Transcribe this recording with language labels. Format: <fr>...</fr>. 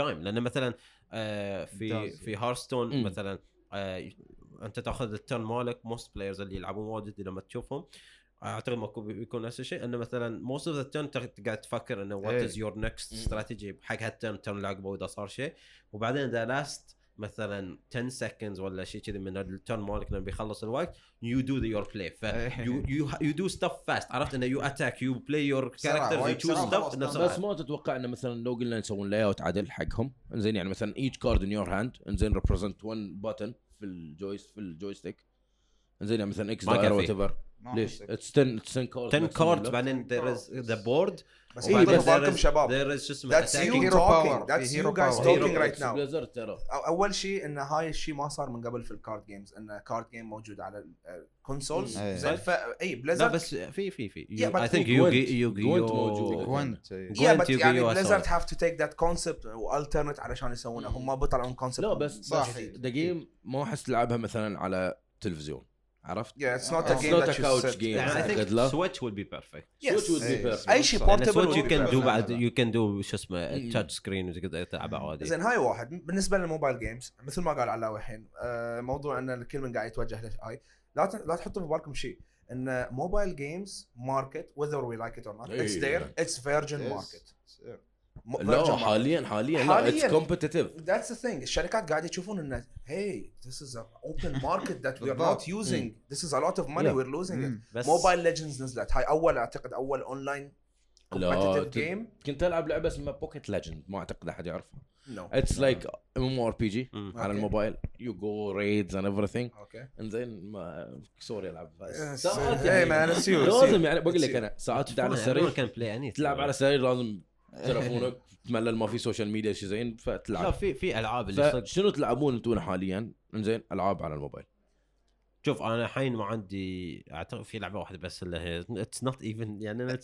<ar>لان مثلا في هارستون مثلا انت تاخذ التيرن مالك موست بلايرز اللي يلعبون واجد لما تشوفهم اعتقد ماكو بيكون نفس الشيء انه مثلا</ar> <en>most of the turn</en> <ar>تقعد تفكر انه</ar> <en>what is your next strategy</en> <ar>حق هالترن ترن لاقبه واذا صار شيء وبعدين</ar> <en>the last</en> <ar>مثلا 10 seconds ولا شيء كذي من الترن مالك لما بيخلص الوقت</ar> <en>you do your play you do stuff fast</en> <ar>عرفت انه</ar> <en>you attack you play your character you choose stuff</en> <ar>بس ما تتوقع انه مثلا لو قلنا نسوون layout عدل حقهم انزين يعني مثلا</ar> <en>each card in your hand</en> <ar>انزين represent one button في الجويستيك انزين يعني مثلا اكس دائره whatever ليش</ar> <en>it's 10 cards 10 cards</en> <ar>بعدين</ar> <en>there is the board</en> <ar>بس إيه بس</ar> <en>there is</en> <ar>شباب</ar> <en>there is just that's you talking that's you guys talking right now</en> <ar>أول شيء إن هاي الشيء ما صار من قبل في الكارد جيمز إن كارد جيم موجود على الكونسولز زين فأي بليزرد لا بس في</ar> <en>I think you</en> <ar>موجود Gwent يعني بليزرد</ar> <en>have to take that concept</en> <ar>وalternate علشان يسوونه هم ما بطلعون concept لا بس صح</ar> <en>the game</en> <ar>ما أحس لعبها مثلا على تلفزيون عرفت؟</ar> <en>Yeah, it's not a game that you said. Yeah, I think Switch would be perfect. Yes. Switch would be perfect.</en> <ar>أي شيء portable. Switch</ar> <en>you can do</en> <ar>شو اسمه touch screen وزي كذا تلعبه عادي. زين هاي واحد بالنسبة للموبايل جيمز مثل ما قال علاوي الحين موضوع إن الكل من قاعد يتوجه له أي لا تحطوا ببالكم شيء إن موبايل جيمز</ar> <en>market whether we like it or not it's there it's virgin market.</en> <ar>لا حالياً لا</ar> <en>it's competitive that's the thing</en> <ar>الشركات قاعدة يشوفون إن</ar> <en>hey this is an open market that we are not using this is a lot of money we're losing it mobile legends</en> <ar>نزلت هاي أول أعتقد أول</ar> <en>online competitive game</en> <ar>كنت ألعب لعبة اسمها pocket legend ما أعتقد أحد يعرفها</ar> <en>it's like MMORPG</en> <ar>على الموبايل</ar> <en>you go raids and everything and then sorry</en> <ar>ألعب بس</ar> <en>hey man</en> <ar>لازم يعني بقول لك أنا ساعات تلعب على السرير تلعب على السرير لازم تلفونك تملل ما في سوشيال ميديا شي زين فتلعب لا في العاب اللي شنو تلعبون انتم حاليا انزين العاب على الموبايل شوف انا الحين ما عندي اعتقد في لعبه واحده بس اللي هي</ar> <en>it's not even</en> <ar>يعني انا</ar>